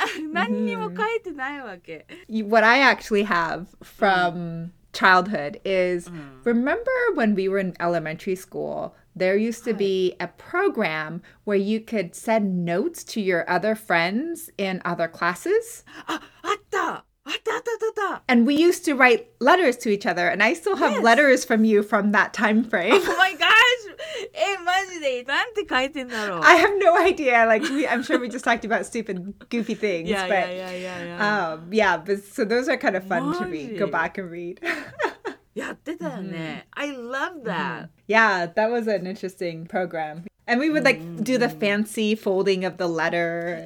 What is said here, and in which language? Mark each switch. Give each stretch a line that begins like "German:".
Japanese: 何にも書いてないわけ。
English: What I actually have from childhood is, remember when we were in elementary school, there used to be a program where you could send notes to your other friends in other classes.
Japanese: あった、あった、あった、あった。
English: And we used to write letters to each other, and I still have letters from you from that time frame. Oh my gosh!
Japanese: え、マジで、なんて書いてんだろう?
English: I have no idea. Like, I'm sure we just talked about stupid, goofy things. Yeah, but, yeah. But so those are kind of fun to read. Go back and read.
Japanese: やってたよね。
English: I love that. Yeah, that was an interesting program. And we would like do the fancy folding of the letter.